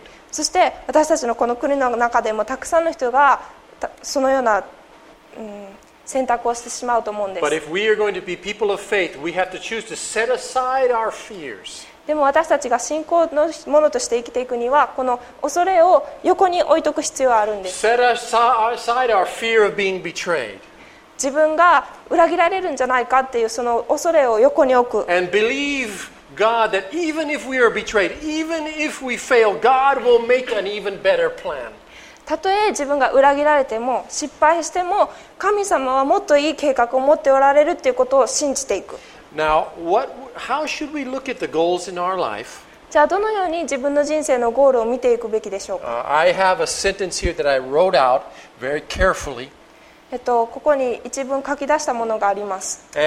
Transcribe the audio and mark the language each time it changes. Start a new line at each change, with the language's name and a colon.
Japanese: そして私たちのこの国の中でもたくさんの人がそのような、選択をしてしまうと思うんです。
English: But if we are going to be people of faith, we have to choose to set aside our fears.
Japanese: でも私たちが信仰のものとして生きていくにはこの恐れを横に置いておく必要があるんです。
English: Set aside our fear of being betrayed.
Japanese: 自分が裏切られるんじゃないかっていうその恐れを横に置く。
English: And believe God that even if we are betrayed, even if we fail, God will make an even better plan.
Japanese: たとえ自分が裏切られても失敗しても神様はもっといい計画を持っておられるっていうことを信じていく。
English: Now, how should we look at the goals in our life?
Japanese: じゃあどのように自分の人生のゴールを見ていくべきでしょうか。
English: I have a sentence here that I wrote out very carefully.
Japanese: ここに一文書き出したものがあります。